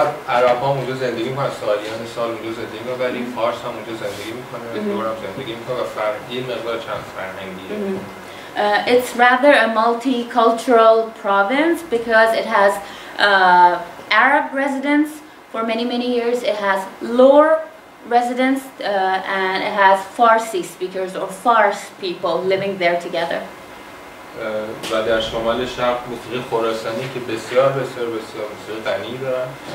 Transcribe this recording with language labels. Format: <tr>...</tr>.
<fa>عرب ها اونجا زندگی میکنن. سالیان سال اونجا زندگی میکنن. ولی فارس هم اونجا زندگی میکنن. دور هم زندگی میکنن. و فرهنگی مقدار چند فرهنگیه.</fa> <en>It's rather a multicultural province because it has Arab residents for many, many years. It has Lor residents and it has Farsi speakers or Fars people living there together.</en> <fa>و در شمال شرق موسیقی خراسانی که بسیار بسیار بسیار موسیقی غنی دارن.</fa>